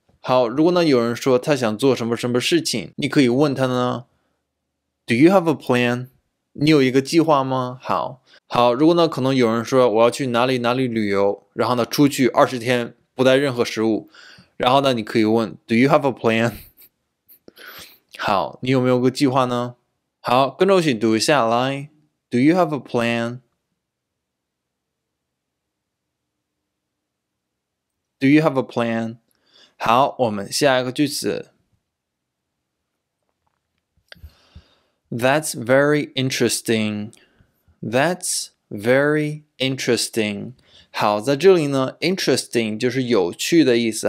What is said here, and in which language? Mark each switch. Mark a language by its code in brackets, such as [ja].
[zh] 好，如果呢有人说他想做什么什么事情，你可以问他呢 ， [en] Do you have a plan？ [zh] 你有一个计划吗？好。好，如果呢，可能有人说我要去哪里哪里旅游，然后呢，出去20天不带任何食物，然后呢，你可以问 [en] Do you have a plan？ [zh] 好，你有没有个计划呢？好，跟着我一起读一下来 [en] ，Do you have a plan？Do you have a plan？ [zh] 好，我们下一个句子 ， [en] That's very interesting。 That's very interesting. [zh] 好，在这里呢 ，interesting 就是有趣的意思。